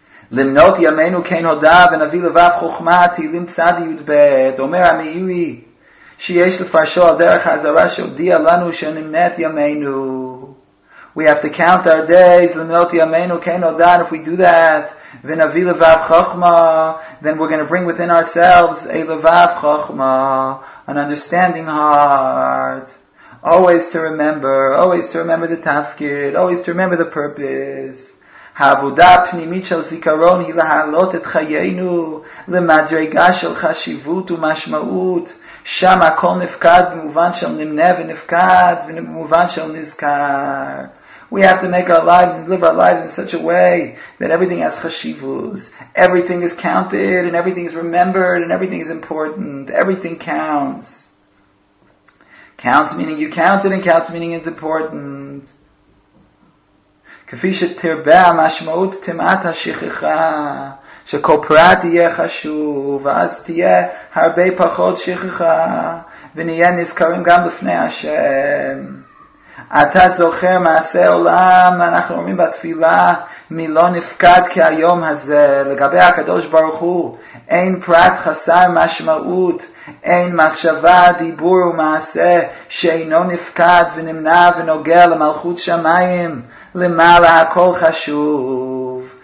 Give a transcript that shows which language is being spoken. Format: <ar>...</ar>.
<he>למנות ימינו כן הודה ונביא לבב חוכמה תהילים צד י"ב. אומר המאירי שיש לפרשו על דרך העזרה שהודיע לנו שנמנה את ימינו.</he> <en>We have to count our days,</en> <he>למנות ימינו כן הודה,</he> <en>and if we do that</en> <he>ונביא לבב חוכמה,</he> <en>then we're going to bring within ourselves a</en> <he>לבב חוכמה,</he> <en>an understanding heart. Always to remember, always to remember the tafkid, always to remember the purpose.</en> <he>העבודה הפנימית של זיכרון היא להעלות את חיינו למדרגה של חשיבות ומשמעות. שם הכל נפקד במובן של נמנה ונפקד ובמובן של נזכר.</he> <en>We have to make our lives and live our lives in such a way that everything has chashivus. Everything is counted and everything is remembered and everything is important. Everything counts. Counts meaning you count it and counts meaning it's important.</en> <he>כפי שתרבה המשמעות תמעט השכחה, שכל פרט יהיה חשוב, ואז תהיה הרבה פחות שכחה, ונהיה נזכרים גם לפני השם. אתה זוכר מעשה עולם, אנחנו אומרים בתפילה, מי לא נפקד כהיום הזה, לגבי הקדוש ברוך הוא, אין פרט חסר משמעות, אין מחשבה, דיבור ומעשה, שאינו נפקד ונמנע ונוגע למלכות שמיים, למעלה הכל חשוב,</he>